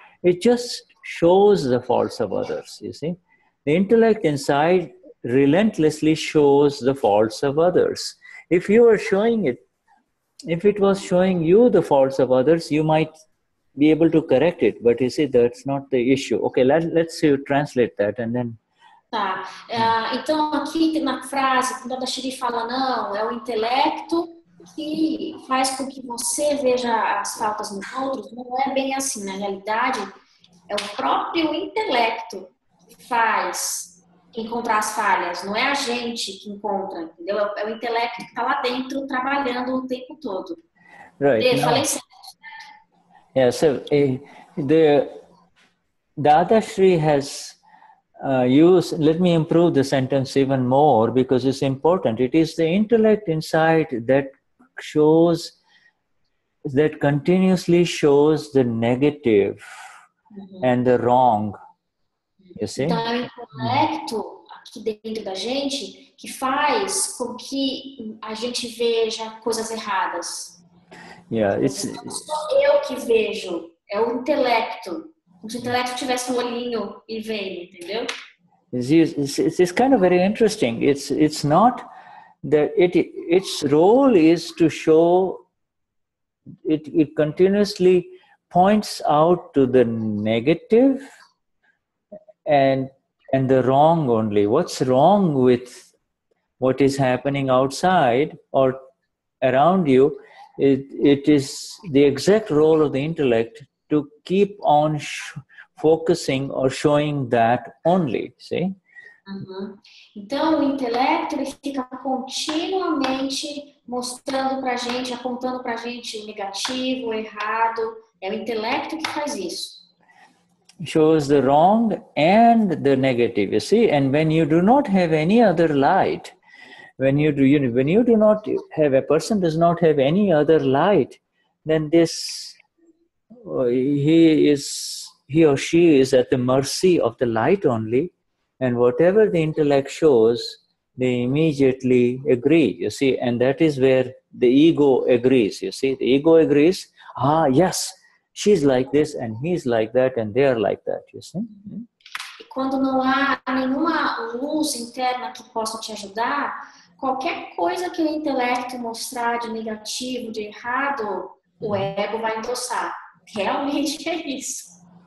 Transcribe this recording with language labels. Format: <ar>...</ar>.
<en>It just shows the faults of others, you see. The intellect inside relentlessly shows the faults of others. If you are showing it, if it was showing you the faults of others, you might be able to correct it. But you see, that's not the issue. Okay, let's you translate that and then...</en> <pt>Tá. Então, aqui na frase, quando a Dashiri fala não, é o intelecto que faz com que você veja as faltas nos outros. Não é bem assim. Na realidade, é o próprio intelecto que faz encontrar as falhas, não é a gente que encontra, entendeu? É o intelecto que está lá dentro trabalhando o tempo todo.</pt> <en>Right.</en> <pt>Eu falei certo.</pt> <en>Yeah, so the Dadashri has used, let me improve the sentence even more because it's important. It is the intellect inside that shows, that continuously shows the negative and the wrong. You see?</en> <pt>Então, é o intelecto aqui dentro da gente que faz com que a gente veja coisas erradas.</pt> <en>Yeah, it's,</en> <pt>não sou eu que vejo, é o intelecto. Como se o intelecto tivesse um olhinho e vendo, entendeu?</pt> <en>It's kind of very interesting. It's not that it, its role is to show, it continuously points out to the negative and the wrong only. What's wrong with what is happening outside or around you? It is the exact role of the intellect to keep on focusing or showing that only, see? Uh-huh.</en> <pt>Então, o intelecto, ele fica continuamente mostrando pra gente, apontando pra gente o negativo, o errado. É o intelecto que faz isso.</pt> <en>Shows the wrong and the negative, you see, and when you do not have any other light, a person does not have any other light, then this, he or she is at the mercy of the light only, and whatever the intellect shows, they immediately agree, you see, and that is where the ego agrees, you see, the ego agrees, ah, yes, she's like this, and he's like that, and they are like that, you see?</en> <pt>E quando não há nenhuma luz interna que possa te ajudar, qualquer coisa que o intelecto mostrar de negativo, de errado, o ego vai endossar. Realmente é isso.</pt>